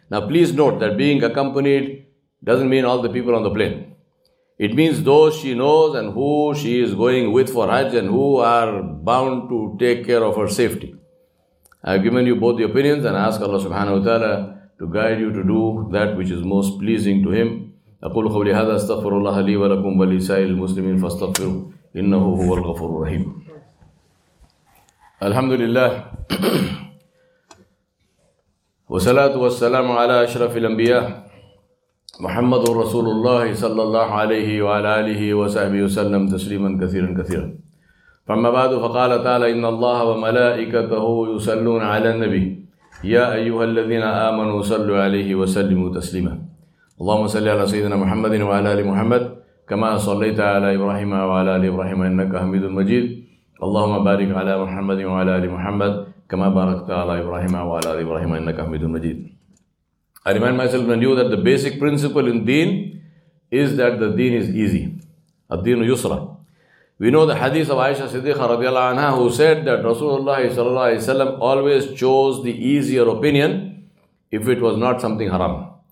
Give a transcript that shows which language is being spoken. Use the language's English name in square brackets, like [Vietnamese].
[English] Now, please note that being accompanied doesn't mean all the people on the plane. It means those she knows and who she is going with for hajj and who are bound to take care of her safety. I have given you both the opinions and ask Allah subhanahu wa ta'ala to guide you to do that which is most pleasing to Him. [Arabic] أقول قولي هذا استغفر الله لي ولكم ولسائر المسلمين فاستغفروا إنه هو الغفور الرحيم. الحمد لله والصلاة والسلام على أشرف الأنبياء محمد رسول الله صلى الله عليه وعلى آله وصحبه وسلم تسليما كثيرا كثيرا. فما بعد فقال تعالى إن الله وملائكته يصلون على النبي يا أيها الذين آمنوا صلوا عليه وسلموا تسليما. اللهم صل على سيدنا محمد وعلى آل محمد كما صليت على إبراهيم وعلى آل إبراهيم إنك حميد مجيد اللهم بارك على محمد وعلى آل محمد كما باركت على إبراهيم وعلى آل إبراهيم إنك حميد مجيد. [English] I remind myself and you that the basic principle in deen is that the deen is easy. [Arabic] الدين يسرى. [English] We know the hadith of Aisha Siddiqa رضي الله عنها who said that Rasulullah صلى الله عليه وسلم always chose the easier opinion if it was not something haram.